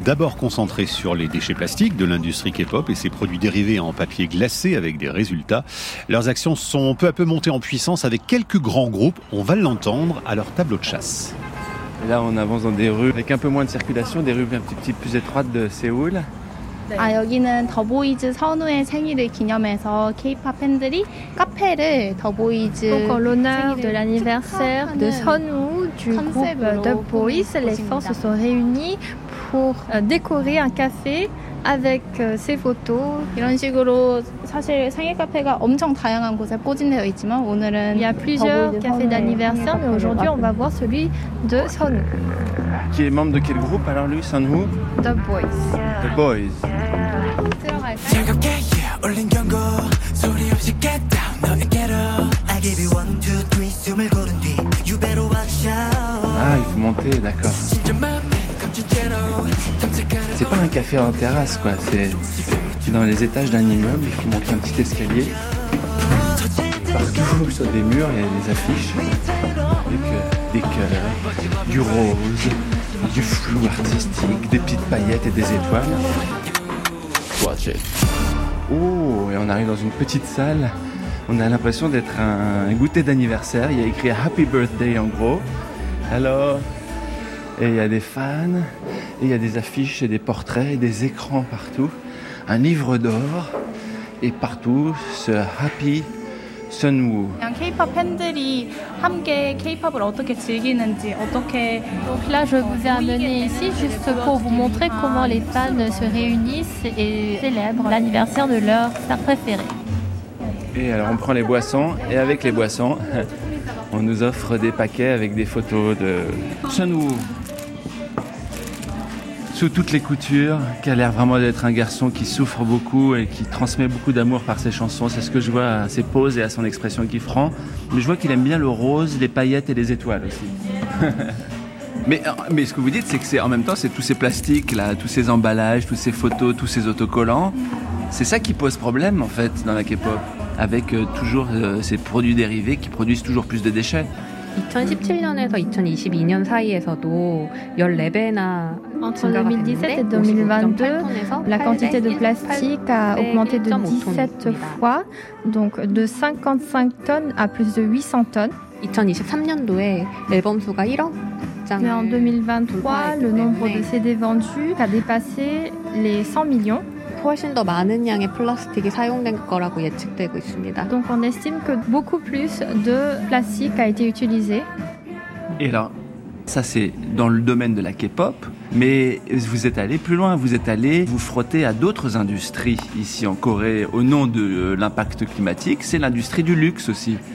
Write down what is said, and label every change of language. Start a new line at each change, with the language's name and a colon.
French: D'abord concentré sur les déchets plastiques de l'industrie K-pop et ses produits dérivés en papier glacé avec des résultats, leurs actions sont peu à peu montées en puissance avec quelques grands groupes, on va l'entendre, à leur tableau de chasse. Là on avance dans des rues avec un peu moins de circulation, des rues un petit peu plus étroites de Séoul.
Korean: 아, 여기는 더보이즈 선우의 생일을 기념해서 K-pop 팬들이 카페를 더보이즈
French: l'honneur de l'anniversaire de Sonu du groupe The Boys, les fans se sont réunis pour décorer un café avec ses photos.
Korean: 이런 식으로 사실 생일 카페가 엄청 다양한 곳에 꽂힌되어 있지만 오늘은
French: il y a plusieurs cafés d'anniversaire mais aujourd'hui on va voir celui de Sonu. Qui est membre de quel groupe alors lui Sonu? The Boys. The Boys. 아, 이모테 d'accord. C'est pas un café en terrasse quoi, c'est dans les étages d'un immeuble, il faut monter un petit escalier. Partout sur des murs, il y a des affiches avec des cœurs, du rose, du flou artistique, des petites paillettes et des étoiles.
English: Watch it.
French: Oh, et on arrive dans une petite salle. On a l'impression d'être un goûter d'anniversaire. Il y a écrit Happy Birthday en gros. Alors, et il y a des fans, et il y a des affiches et des portraits, et des écrans partout. Un livre d'or, et partout ce Happy Sunwoo.
Korean: 그냥 K-pop 팬들이 함께 K-pop을 어떻게 즐기는지 어떻게
French: Là, je vous ai amené ici juste pour vous montrer comment les fans se réunissent et célèbrent l'anniversaire de leur star préféré. Et alors on prend les boissons et avec les boissons, on nous offre des paquets avec des photos de Sunwoo. Sous toutes les coutures, qui a l'air vraiment d'être un garçon qui souffre beaucoup et qui transmet beaucoup d'amour par ses chansons. C'est ce que je vois à ses poses et à son expression qui franc. Mais je vois qu'il aime bien le rose, les paillettes et les étoiles aussi. Mais ce que vous dites, c'est que c'est en même temps, c'est tous ces plastiques, là, tous ces emballages, toutes ces photos, tous ces autocollants. C'est ça qui pose problème, en fait, dans la K-pop, avec toujours ces produits dérivés qui produisent toujours plus de déchets.
Korean: 2017년에서 2022년 사이에서도 14배나
French: 2017 et 2022, la quantité de plastique a augmenté de 17 fois, donc de 55 tonnes à plus de 800 tonnes.
Korean: 2023년도에 앨범 수가 1억 장.
French: Mais en 2023, le nombre de CD vendus a dépassé les 100 millions.
Korean: 훨씬 더 많은 양의 플라스틱이 사용된 거라고 예측되고 있습니다.
French: Donc on estime que beaucoup plus de plastique a été utilisé. Et là, ça c'est dans le domaine de la K-pop, mais vous êtes allé plus loin, vous êtes allé vous frotter à d'autres industries ici en Corée au nom de l'impact climatique, c'est l'industrie du luxe aussi.